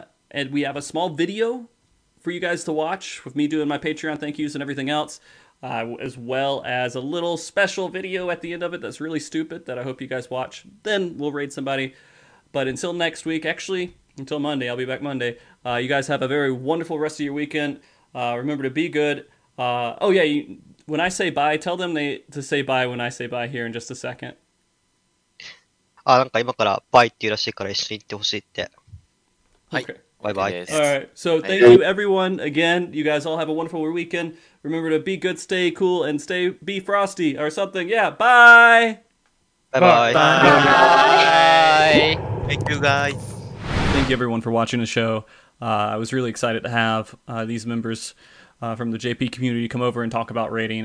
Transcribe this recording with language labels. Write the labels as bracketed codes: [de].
[en] And we have a small video for you guys to watch with me doing my Patreon thank yous and everything else, as well as a little special video at the end of it that's really stupid that I hope you guys watch. Then we'll raid somebody. But until next week, actually, until Monday, I'll be back Monday. You guys have a very wonderful rest of your weekend. Remember to be good. When I say bye, tell them to say bye when I say bye here in just a second. [ja] なんか今からバイって言うらしいから一緒に行ってほしいって。はい。 [en] Okay. Bye bye. All right. So thank you, everyone. Again, you guys all have a wonderful weekend. Remember to be good, stay cool, and be frosty or something. Yeah. Bye. Bye bye. Bye. Bye. Thank you, guys. Thank you, everyone, for watching the show. I was really excited to have these members from the JP community come over and talk about raiding.